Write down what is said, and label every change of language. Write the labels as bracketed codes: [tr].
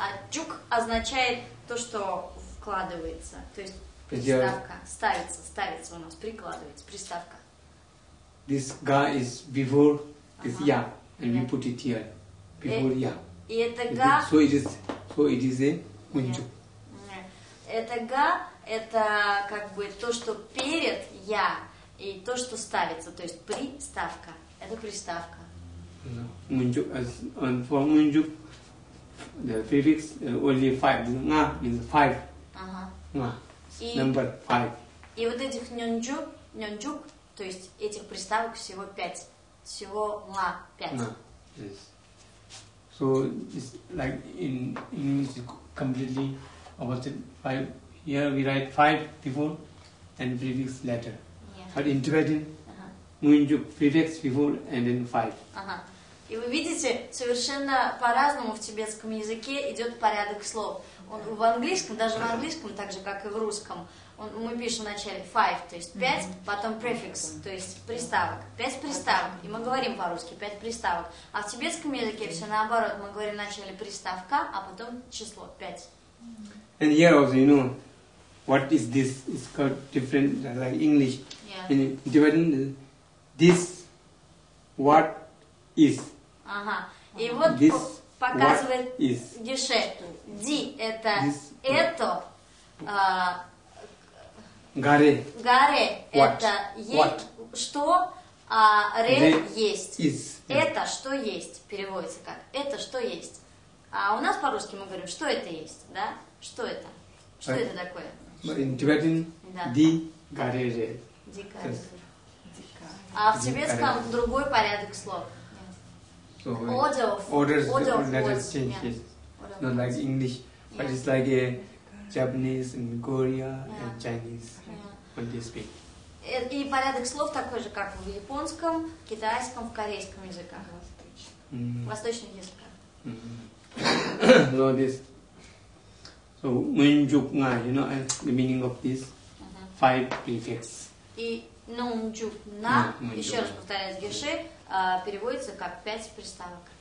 [ru] Juk означает то, что вкладывается, то есть приставка, ставится, ставится у нас, прикладывается, приставка. [en] This ga is before this ya, and we put it here, before ya. [ru] И это ga... [en] So it is a unjuk. [ru] Это ga, это как бы то, что перед ya. И то, что ставится, то есть приставка, это приставка. [en] Мунджук, and for мунджук, the prefix only five, nga means five, nga, number five. [ru] И вот этих нюнджук, нюнджук, то есть этих приставок всего пять, всего nga, пять. [en] Nga, yes. So, it's like in English, completely opposite five. Here we write five before, and prefix letter. But in Tibetan, Мунджук prefix before and then five. [ru] И вы видите, совершенно по-разному в тибетском языке идет порядок слов. В английском, даже в английском, так же, как и в русском, мы пишем вначале five, то есть пять, потом prefix, то есть приставок. Пять приставок, и мы говорим по-русски пять приставок. А в тибетском языке все наоборот, мы говорим вначале приставка, а потом число пять. [en] And here also, you know, what is this? It's called different, like English. In Tibetan, this what is. [ru] И вот this показывает Геше. Ди это это. [bo] Гаре. [ru] Гаре это что, а ре есть. [en] Is. [ru] Это что есть. Переводится как это что есть. А у нас по-русски мы говорим, что это есть, да? Что это? Что это такое? [en] In Tibetan, [bo] ди гаре ре. Дикарь. [ru] А в тибетском другой порядок слов. [en] Order of letters. Not like English, but it's like Japanese and Korea and Chinese when they speak. [ru] И порядок слов такой же, как в японском, китайском, в корейском языках. Восточных языках. [en] Know this. So, мунджук nga, you know the meaning of this? Five prefix. [ru] И нунджук на, еще раз повторяю, Геше, переводится как пять приставок.